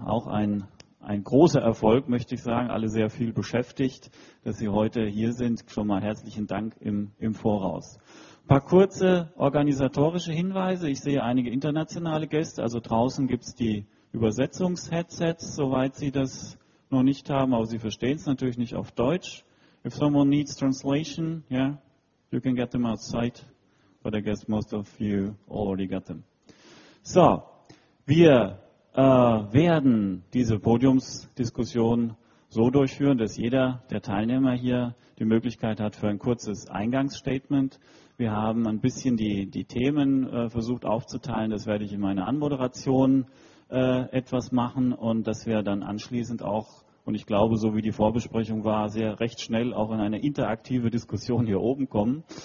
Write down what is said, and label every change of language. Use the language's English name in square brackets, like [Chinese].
[German] Auch ein großer Erfolg, möchte ich sagen, alle sehr viel beschäftigt, dass Sie heute hier sind. Schon mal herzlichen Dank im Voraus. Ein paar kurze organisatorische Hinweise. Ich sehe einige internationale Gäste. Also draußen gibt es die Übersetzungsheadsets, soweit Sie das noch nicht haben. Aber Sie verstehen es natürlich nicht auf Deutsch. [English] If someone needs translation, yeah, you can get them outside. But I guess most of you already got them. [German] So, wir werden diese Podiumsdiskussion so durchführen, dass jeder der Teilnehmer hier die Möglichkeit hat für ein kurzes Eingangsstatement. Wir haben ein bisschen die Themen versucht aufzuteilen. Das werde ich in meiner Anmoderation etwas machen und dass wir dann anschließend auch, und ich glaube, so wie die Vorbesprechung war, sehr recht schnell auch in eine interaktive Diskussion hier oben kommen.